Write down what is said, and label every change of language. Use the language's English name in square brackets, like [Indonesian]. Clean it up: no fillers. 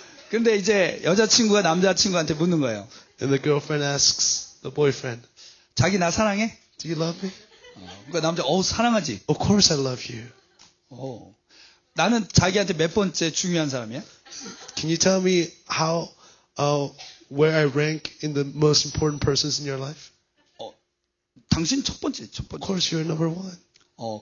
[Korean] 근데 이제 여자친구가 남자친구한테 묻는 거예요. [English] And the girlfriend asks the boyfriend, [Korean] 자기 나 사랑해? [English] Do you love me? [Korean] 그러니까 남자, 사랑하지? [English] Of course I love you. [Korean] 나는 자기한테 몇 번째 중요한 사람이야? [English] Can you tell me how, where I rank in the most important persons in your life? [Korean] 당신 첫 번째. [English] Of course you're number one.